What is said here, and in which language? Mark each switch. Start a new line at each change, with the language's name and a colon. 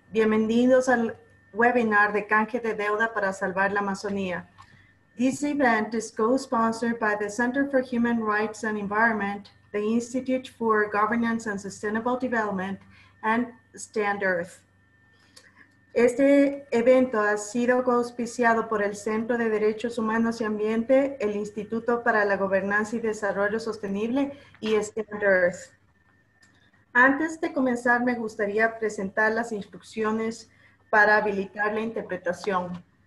Spanish: Bienvenidos al webinar de Canje de Deuda para Salvar la Amazonía.
English: This event is co-sponsored by the Center for Human Rights and Environment, the Institute for Governance and Sustainable Development, and Stand.earth.
Spanish: Este evento ha sido auspiciado por el Centro de Derechos Humanos y Ambiente, el Instituto para la Gobernanza y Desarrollo Sostenible y Stand.earth. Antes de comenzar, me gustaría presentar las instrucciones para habilitar la interpretación.